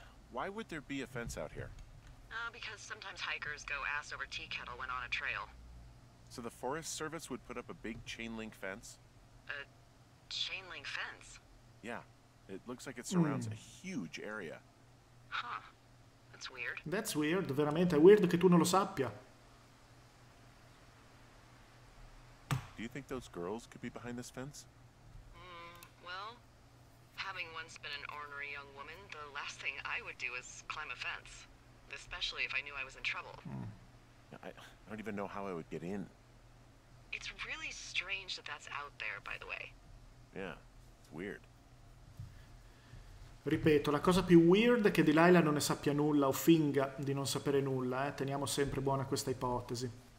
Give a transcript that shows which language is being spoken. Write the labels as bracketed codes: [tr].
[en] Why would there be a fence out here? Because sometimes hikers go ass over tea kettle when on a trail. So the Forest Service would put up a big chain link fence? A chain link fence? Yeah, it looks like it surrounds a huge area. Huh. That's weird. That's weird, [it] veramente, è weird che tu non lo sappia. [en] Do you think those girls could be behind this fence? Having once been an ornery young woman, the last thing I would do is climb a fence, especially if I knew I was in trouble. I don't even know how I would get in. It's really strange that that's out there, by the way. Yeah, it's weird. [it] Ripeto, la cosa più weird è che Delilah non ne sappia nulla o finga di non sapere nulla, eh? Teniamo sempre buona questa ipotesi.